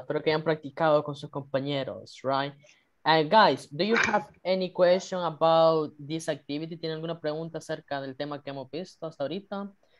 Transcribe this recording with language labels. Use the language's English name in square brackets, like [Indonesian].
[Spanish] Espero que hayan practicado con sus compañeros, [English] right? And guys, do you have any question about this activity? [Spanish] ¿Tienen alguna pregunta acerca del tema que hemos visto hasta ahorita?